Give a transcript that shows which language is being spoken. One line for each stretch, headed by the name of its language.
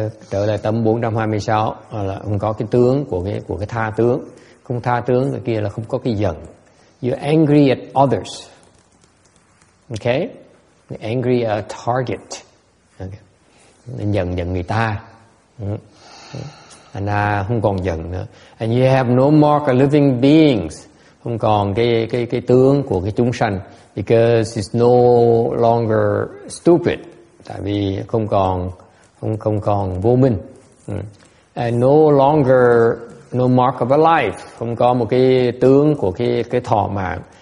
Vietnamese: Đó là tâm 426, là không có cái tướng của cái tha tướng. Không tha tướng cái kia là không có cái giận.
English: You're angry at others. Okay? Angry at a target. Okay.
Vietnamese: Giận giận người ta. Anh ta không còn giận nữa.
English: And you have no mark of living beings.
Vietnamese: Không còn cái tướng của cái chúng sanh.
English: Because it's no longer stupid.
Vietnamese: Tại vì không còn vô minh.
English: And no longer no mark of a life.
Vietnamese: Không có một cái tướng của cái thọ mạng.